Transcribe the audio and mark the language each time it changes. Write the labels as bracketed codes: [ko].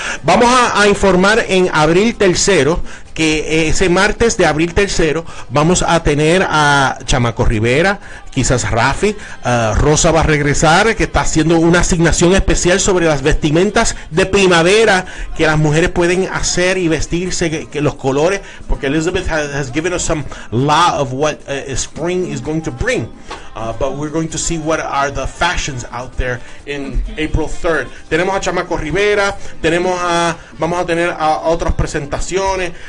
[es] Vamos a informar en abril tercero, que ese martes de abril tercero vamos a tener a Chamaco Rivera, quizás Rafi, Rosa va a regresar, que está haciendo una asignación especial sobre las vestimentas de primavera que las mujeres pueden hacer y vestirse, que los colores, porque [en] Elizabeth has given us some law of what spring is going to bring. But we're going to see what are the fashions out there in April 3rd. [es] Tenemos a Chamaco Rivera, vamos a tener a otras presentaciones.